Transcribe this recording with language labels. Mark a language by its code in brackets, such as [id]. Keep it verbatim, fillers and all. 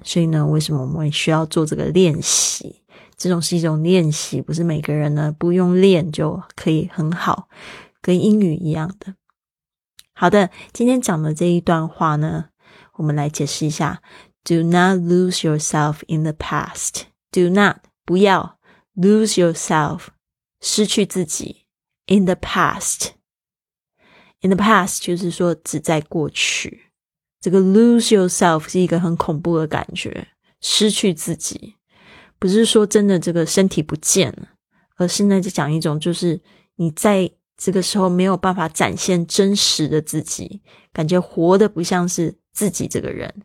[zh] 所以呢，为什么我们需要做这个练习？这种是一种练习，不是每个人呢，不用练就可以很好，跟英语一样的。好的，今天讲的这一段话呢，我们来解释一下 [en] Do not lose yourself in the past。 Do not, [zh] 不要 [en] lose yourself, [zh] 失去自己 [en] in the past. In the past [zh] 就是说只在过去。这个 [en] lose yourself [zh] 是一个很恐怖的感觉，失去自己。不是说真的这个身体不见了，而是呢就讲一种就是你在这个时候没有办法展现真实的自己，感觉活得不像是自己这个人。